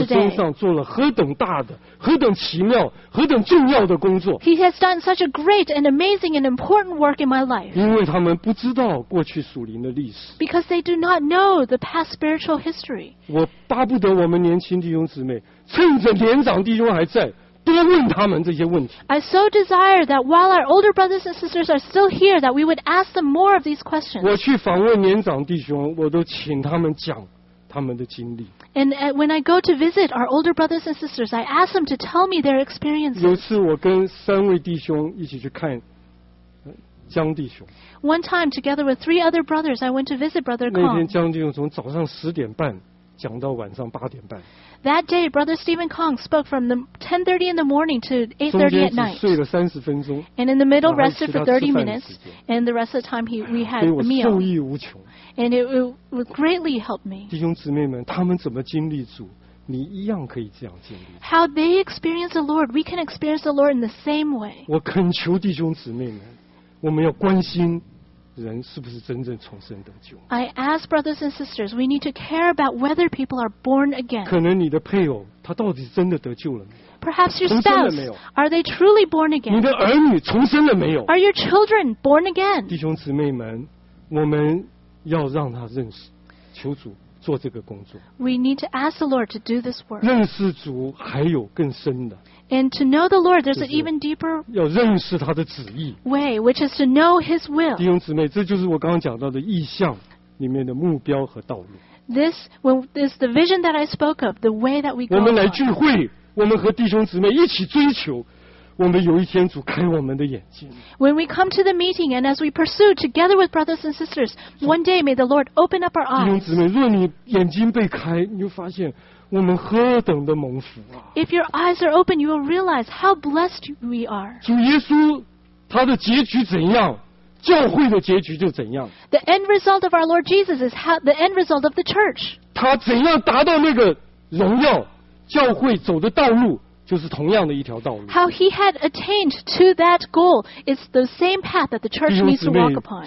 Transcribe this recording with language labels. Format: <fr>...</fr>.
<zh>他在我身上做了何等大的、何等奇妙、何等重要的工作。</zh> <en>He has done such a great and amazing and important work in my life.</en> <zh>因为他们不知道过去属灵的历史。</zh> <en>Because they do not know the past spiritual history.</en> <zh>我巴不得我们年轻弟兄姊妹，趁着年长弟兄还在。多问他们这些问题。</zh> <en>I so desire that while our older brothers and sisters are still here, that we would ask them more of these questions.</en> <zh>我去访问年长弟兄，我都请他们讲他们的经历。</zh> <en>And when I go to visit our older brothers and sisters, I ask them to tell me their experiences.</en> <zh>有次我跟三位弟兄一起去看江弟兄。</zh> <en>One time, together with three other brothers, I went to visit Brother Kong.</en> <zh>那天江弟兄从早上十点半讲到晚上八点半。</zh> <en>That day, Brother Stephen Kong spoke from the 10:30 in the morning to 8:30 at night.</en> <zh>睡了三十分钟。</zh> <en>And in the middle, rested for 30 minutes. And the rest of the time, we had a meal.</en> <zh>对我受益无穷。</zh> <en>And it greatly helped me.</en> <zh>弟兄姊妹们，他们怎么经历主，你一样可以这样经历。</zh> <en>How they experience the Lord, we can experience the Lord in the same way.</en> <zh>我恳求弟兄姊妹们，我们要关心。人是不是真正重生得救？</zh> <en>I ask brothers and sisters, we need to care about whether people are born again.</en> <zh>可能你的配偶他到底真的得救了没有？</zh> <en>Perhaps your spouse, are they truly born again?</en> <zh>你的儿女重生了没有？</zh> <en>Are your children born again?</en> <zh>弟兄姊妹们，我们要让他认识。求主做这个工作。</zh> <en>We need to ask the Lord to do this work.</en> <zh>认识主还有更深的。</zh> <en>And to know the Lord, there's an even deeper</en> <zh>要认识他的旨意。</zh> <en>Way, which is to know His will.</en> <zh>弟兄姊妹，这就是我刚刚讲到的意象里面的目标和道路。</zh> <en>This is the vision that I spoke of, the way that we go.</en> <zh>我们来聚会，我们和弟兄姊妹一起追求。我们有一天主开我们的眼睛。</zh> <en>When we come to the meeting and as we pursue together with brothers and sisters, one day may the Lord open up our eyes.</en> <zh>弟兄姊妹，若你眼睛被开，你就发现我们何等的蒙福啊！</zh> <en>If your eyes are open, you will realize how blessed we are.</en> <zh>主耶稣他的结局怎样，教会的结局就怎样。</zh> <en>The end result of our Lord Jesus is how the end result of the church.</en> <zh>他怎样达到那个荣耀，教会走的道路。就是同样的一条道路。</zh> <en>How he had attained to that goal is the same path that the church needs to walk upon.</en>